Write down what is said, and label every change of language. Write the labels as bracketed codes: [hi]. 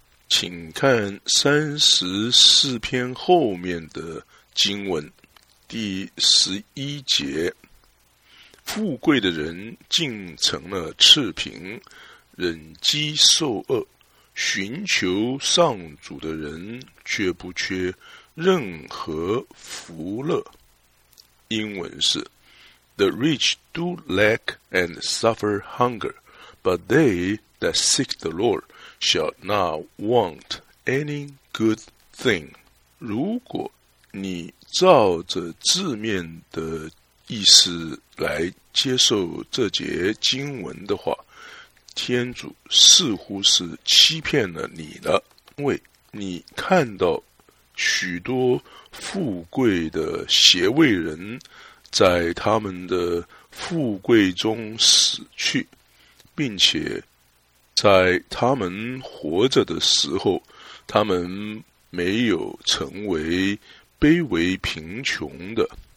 [zh] 请看34篇后面的经文，第11节，富贵的人竟成了赤贫，忍饥受饿，寻求上主的人却不缺任何福乐。英文是 [en] The rich do lack and suffer hunger, but they that seek the Lord shall not want any good thing. [zh] 如果你照着字面的意思来接受这节经文的话，天主似乎是欺骗了你了，因为你看到许多富贵的邪位人在他们的富贵中死去，并且在他们活着的时候，他们没有成为卑微贫穷的。